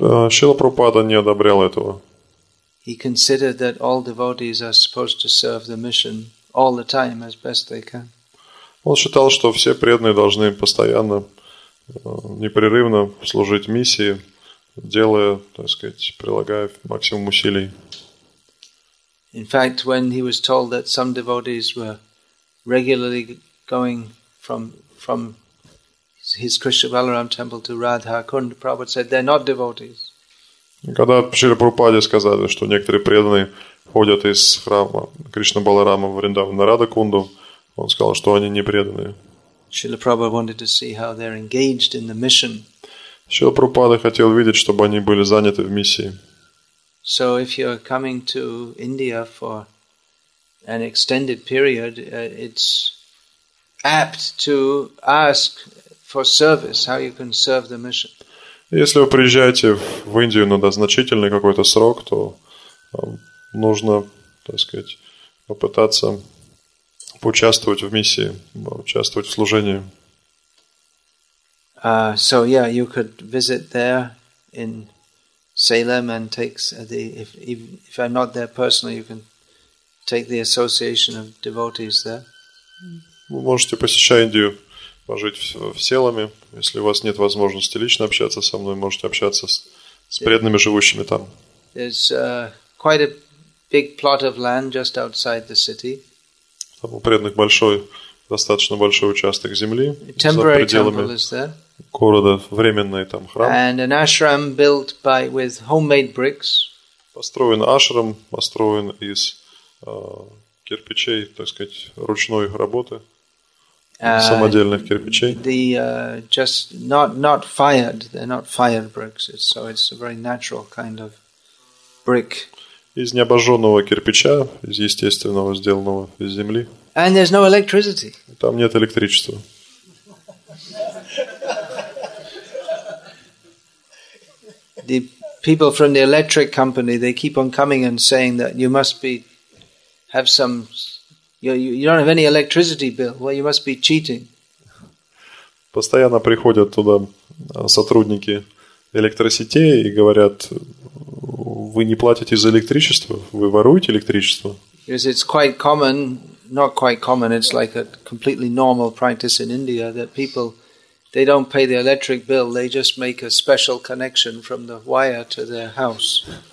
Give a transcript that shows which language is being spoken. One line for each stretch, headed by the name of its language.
Russian: Шрила Прабхупада не одобрял этого.
English: He considered that all devotees are supposed to serve the mission all the time as best they can.
Russian: Он считал, что все преданные должны постоянно, непрерывно служить миссии, делая, так сказать, прилагая максимум усилий.
English: In fact, when he was told that some devotees were regularly going from his Krishna Balaram temple to Radha Kund, Prabhupada said they're not devotees.
Russian: Когда Шрила Прабхупаде сказали, что некоторые преданные ходят из храма Кришна Баларама в Вриндаван на Радха Кунду, он сказал, что они не преданные.
English: Шрила Прабхупада wanted to see how they're engaged in the mission.
Russian: Шрила Прабхупада хотел видеть, чтобы они были заняты в миссии.
English: So if you're coming to India for an extended period, it's apt to ask for service, how you can serve the mission.
Russian: Если вы приезжаете в Индию на значительный какой-то срок, то нужно, так сказать, попытаться поучаствовать в миссии, участвовать в служении.
English: You could visit there in Salem and take the if I'm not there personally, you can take the association of devotees there.
Russian: Вы можете посещать Индию, пожить в Селаме. Если у вас нет возможности лично общаться со мной, можете общаться с преданными, живущими там.
English: There's quite a big plot of land just outside the city.
Russian: Там у преданных большой, достаточно большой участок земли за пределами города, временный там храм.
English: And an ashram built by with homemade bricks.
Russian: Построен ашрам, построен из кирпичей, так сказать, ручной работы, самодельных кирпичей.
English: The just not fired, they're not fired bricks. It's a very natural kind of brick.
Russian: Из необожженного кирпича, из естественного, сделанного из земли.
English: And there's no electricity.
Russian: Там нет электричества.
English: The people from the electric company, they keep on coming and saying that you must be have some, you don't have any electricity bill. Well, you must be cheating.
Russian: Постоянно приходят туда сотрудники электросетей и говорят: вы не платите за электричество, вы воруете электричество.
English: Because it's quite common, not quite common, it's like a completely normal practice in India that people, they don't pay the electric bill, they just make a special connection from the wire to their house.